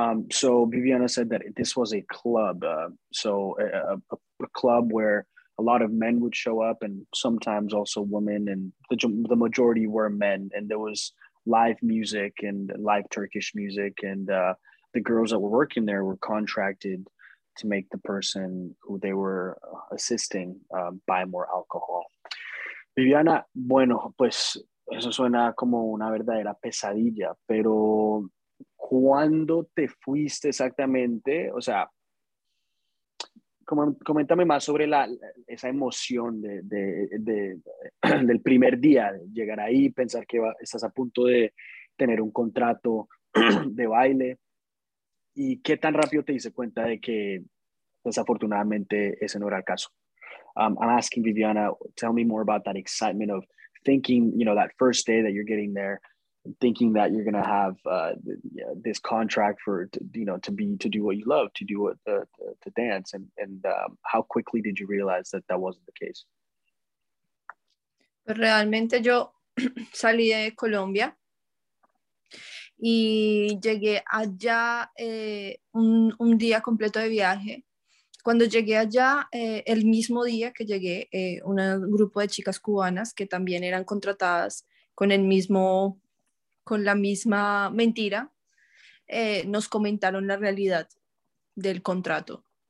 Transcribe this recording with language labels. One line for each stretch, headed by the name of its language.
English: So Viviana said that this was a club, a club where a lot of men would show up and sometimes also women, and the majority were men, and there was live music and live Turkish music, and the girls that were working there were contracted to make the person who they were assisting buy more alcohol.
Spanish: Viviana, bueno, pues eso suena como una verdadera pesadilla, pero ¿cuándo te fuiste exactamente? O sea, coméntame más sobre esa emoción del primer día, de llegar ahí, pensar que estás a punto de tener un contrato de baile. ¿Y qué tan rápido te diste cuenta de que desafortunadamente ese no era el caso?
English: I'm asking Viviana, tell me more about that excitement of thinking, you know, that first day that you're getting there, thinking that you're gonna have this contract to dance, and how quickly did you realize that wasn't the case?
Spanish: Realmente yo salí de Colombia y llegué allá un día completo de viaje. Cuando llegué allá, el mismo día que llegué, un grupo de chicas cubanas que también eran contratadas con la misma mentira, nos comentaron la realidad del contrato.